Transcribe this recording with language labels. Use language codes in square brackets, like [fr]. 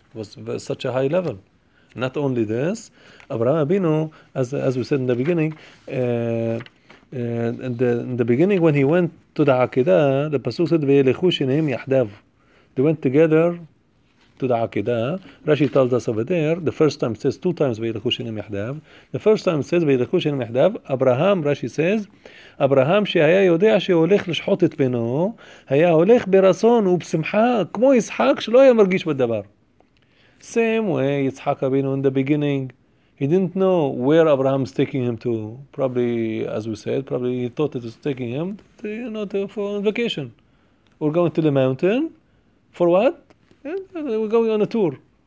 [en] It was such a high level. Not only this, Abraham Avinu, as we said in the beginning, in the beginning when he went to the Akedah, the pasuk said ve'elechu shenehem yahdav. They went together to the Akedah. Rashi tells us over there, the first time it says 2 times ve'elechu shenehem yahdav. The first time it says ve'elechu shenehem yahdav, Abraham, Rashi says, Abraham [he] שהיה יודע שהולך לשחוט את בנו, היה הולך ברצון ובשמחה, כמו יצחק שלא היה מרגיש בדבר. [en] Same way, יצחק אבינו in the beginning, he didn't know where Abraham is taking him to. Probably, as we said, probably he thought it was taking him to, you know, to, for a vacation. We're going to the mountain. For what? We're going on a tour.